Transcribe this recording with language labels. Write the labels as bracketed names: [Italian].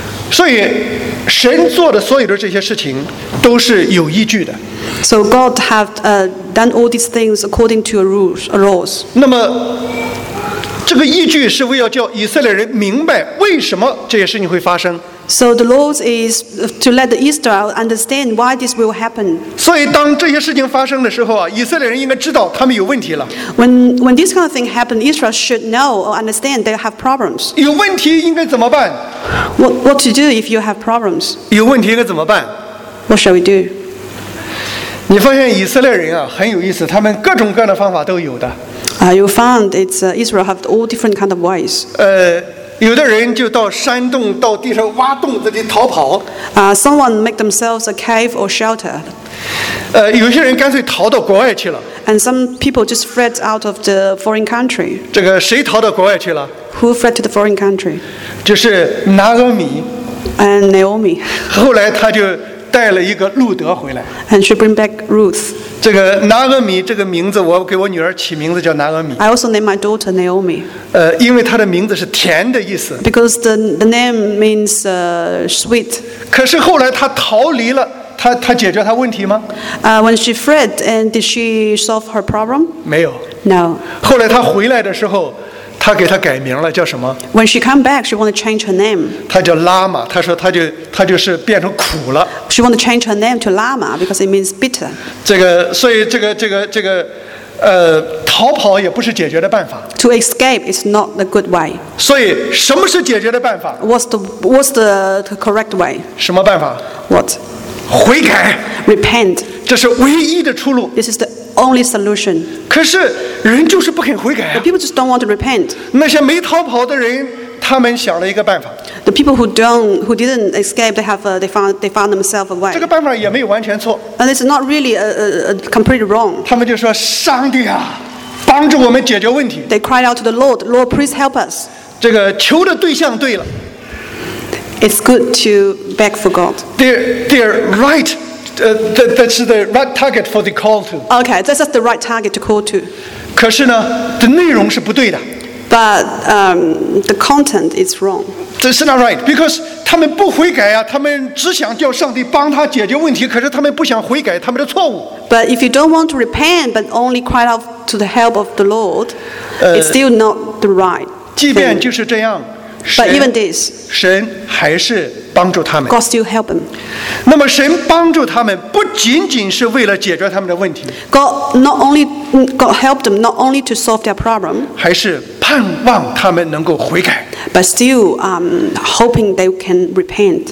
[Chinese] 所以神做的所有的这些事情都是有依据的。 [English] So God have done all these things according to a laws. [Chinese] 那么这个依据是为了叫以色列人明白为什么这些事情会发生。 [English] So the law is to let the Israel understand why this will happen. [Chinese] 所以当这些事情发生的时候啊，以色列人应该知道他们有问题了。 [English] When this kind of thing happens, Israel should know or understand they have problems. [Chinese] 有问题应该怎么办？ [English] What to do if you have problems? [Chinese] 有问题应该怎么办？ [English] What shall we do? [Chinese] 你发现以色列人啊，很有意思，他们各种各样的方法都有的。 [English] You found it's Israel have all different kind of ways. [Chinese] 有的人就到山洞到地上挖洞子里逃跑。 [English] Someone make themselves a cave or shelter. [Chinese] 有些人干脆逃到国外去了。 [English] And some people just fled out of the foreign country. [Chinese] 这个谁逃到国外去了？ [English] Who fled to the foreign country? [Chinese] 就是拿俄米。 [English] And Naomi. [Chinese] 后来他就带了一个路德回来。 [English] And she bring back Ruth. [Chinese] 这个拿俄米这个名字，我给我女儿起名字叫拿俄米。 [English] I also name my daughter Naomi. [Chinese] 因为她的名字是甜的意思。 [English] Because the name means sweet. [Chinese] 可是后来她逃离了，她解决她问题吗？ [English] When she fled, and did she solve her problem? [Chinese] 没有。 [English] No. [Chinese] 后来她回来的时候，她给她改名了，叫什么？ [English] When she come back, she want to change her name. [Chinese] 她叫拉玛，她说她就是变成苦了。 [English] She want to change her name to Lama because it means bitter. [Chinese] 这个，所以这个。逃跑也不是解决的办法。 [English] To escape is not a good way. [Chinese] 所以什么是解决的办法？ [English] What's the correct way? [Chinese] 什么办法？ [English] What? [Chinese] 悔改。 [English] Repent. [Chinese] 这是唯一的出路。 [English] This is the only solution. [Chinese] 可是人就是不肯悔改。 [English] But people just don't want to repent. [Chinese] 那些没逃跑的人，他们想了一个办法。 [English] The people who didn't escape, they found themselves a way. [Chinese] 这个办法也没有完全错。 [English] And it's not really a completely wrong. [Chinese] 他们就说：“上帝啊，帮助我们解决问题。” [English] They cried out to the Lord, Lord, please help us. [Chinese] 这个求的对象对了。 [English] It's good to beg for God. They're right. That's the right target for the call to. Okay, that's just the right target to call to. [Chinese] 可是呢，的内容是不对的。 [English] But the content is wrong. This is not right because [Chinese] 他们不悔改啊，他们只想叫上帝帮他解决问题，可是他们不想悔改他们的错误。 [English] But if you don't want to repent but only cry out to the help of the Lord, it's still not the right. [Chinese] 即便就是这样， [English] but even this, [Chinese] 神还是帮助他们。 [English] God still help them. [Chinese] 那么神帮助他们不仅仅是为了解决他们的问题。 [English] God helped them not only to solve their problem, [Chinese] 还是盼望他们能够悔改。 [English] But still, hoping they can repent.